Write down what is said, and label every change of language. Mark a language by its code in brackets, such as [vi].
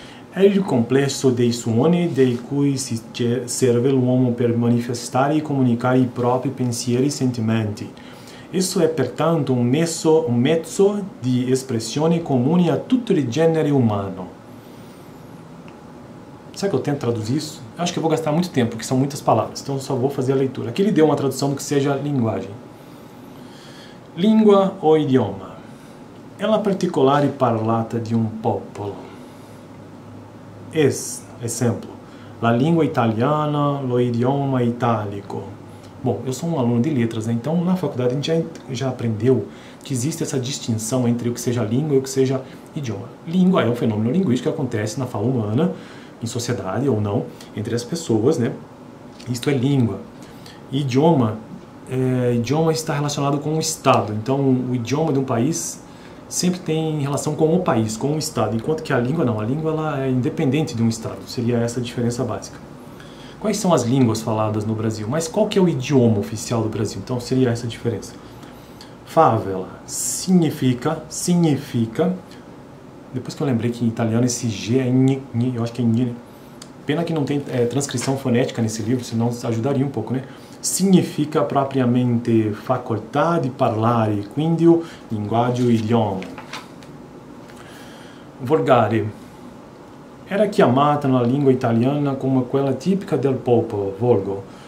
[it] È il complesso dei suoni dei cui si serve l'uomo per manifestare e comunicare i propri pensieri e sentimenti. Esso è pertanto un mezzo di espressione comune a tutto il genere umano. [pt] Será que eu tento traduzir isso? Eu acho que eu vou gastar muito tempo, porque são muitas palavras. Então, eu só vou fazer a leitura. Aqui ele deu uma tradução do que seja linguagem. Língua ou idioma? [it] É la particolare parlata di un popolo. [pt] Exemplo. [it] La lingua italiana, lo idioma italico. [pt] Bom, eu sou um aluno de letras, né? Então, na faculdade, a gente já aprendeu que existe essa distinção entre o que seja língua e o que seja idioma. Língua é um fenômeno linguístico que acontece na fala humana, em sociedade ou não, entre as pessoas, né? Isto é língua. Idioma, idioma está relacionado com o Estado. Então, o idioma de um país sempre tem relação com o país, com o Estado. Enquanto que a língua não. A língua, ela é independente de um Estado. Seria essa a diferença básica. Quais são as línguas faladas no Brasil? Mas qual que é o idioma oficial do Brasil? Então, seria essa a diferença. Favela. Significa... Depois que eu lembrei que em italiano esse G é ni, eu acho que é ni. Pena que não tem transcrição fonética nesse livro, senão ajudaria um pouco, né? [it] Significa propriamente facoltade parlare, quindi o linguaggio idioma. Volgare. Era chiamata [pt] na língua italiana como [it] quella tipica del popolo, volgo.